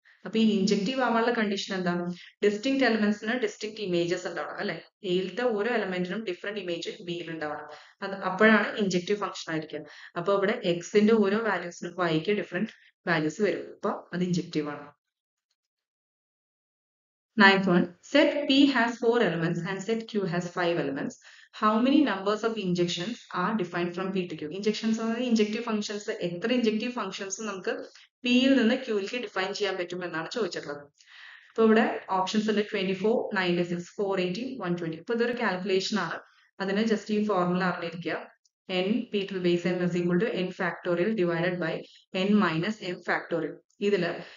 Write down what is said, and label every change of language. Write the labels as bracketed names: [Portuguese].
[Malayalam] അപ്പൊ ഈ ഇൻജക്റ്റീവ് ആവാനുള്ള കണ്ടീഷൻ എന്താ, ഡിസ്റ്റിങ്ക്ട് എലമെന്റ്സിന് ഡിസ്റ്റിങ്ക്ട് ഇമേജസ് ഉണ്ടാവണം അല്ലെ. എയിലത്തെ ഓരോ എലമെന്റിനും ഡിഫറെന്റ് ഇമേജ് ബിയിൽ ഉണ്ടാവണം, അത് അപ്പോഴാണ് ഇൻജക്റ്റീവ് ഫംഗ്ഷൻ ആയിരിക്കുക. അപ്പൊ ഇവിടെ എക്സിന്റെ ഓരോ വാല്യൂസിനും വൈക്ക് ഡിഫറെന്റ് വാല്യൂസ് വരും, അപ്പൊ അത് ഇൻജക്റ്റീവ് ആണ്. [English] Ninth one, set P has four elements and set Q has five elements. How many numbers of injections are defined from P to Q? Injections are the injective functions. [Malayalam] എത്ര injective functions നമുക്ക് P യിൽ നിന്ന് ക്യൂയിലേക്ക് define ചെയ്യാൻ പറ്റും എന്നാണ് ചോദിച്ചിട്ടുള്ളത്. അപ്പൊ ഇവിടെ ഓപ്ഷൻസ് ഉണ്ട് 24, 96, 418, 120. അപ്പൊ ഇതൊരു കാൽക്കുലേഷൻ ആണ്, അതിന് ജസ്റ്റ് ഈ ഫോർമുല അറിഞ്ഞിരിക്കുക. N P two base M is equal to N factorial divided by N minus M factorial. ഇതില്